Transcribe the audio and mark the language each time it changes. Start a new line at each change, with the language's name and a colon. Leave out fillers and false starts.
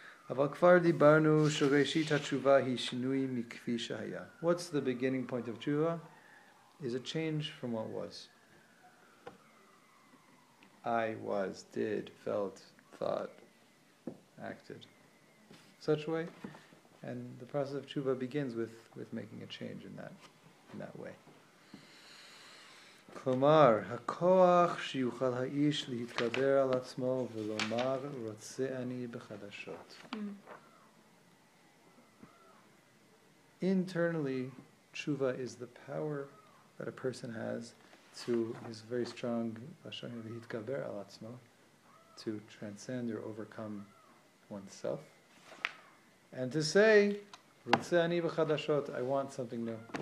Hebrew: אבל כבר דיברנו שראשית התשובה היא שינוי מכפי שהיה.
English: What's the beginning point of תשובה? Is a change from what was. I was, did, felt, thought, acted. Such way. And the process of תשובה begins with making a change in that way.
Hebrew: כלומר, הכוח שיוכל האיש להתגבר על עצמו ולומר, רוצה אני בחדשות.
English: Internally, תשובה is the power that a person has to, is very strong,
Hebrew: להתגבר על עצמו,
English: to transcend or overcome oneself. And to say,
Hebrew: רוצה אני בחדשות,
English: I want something new.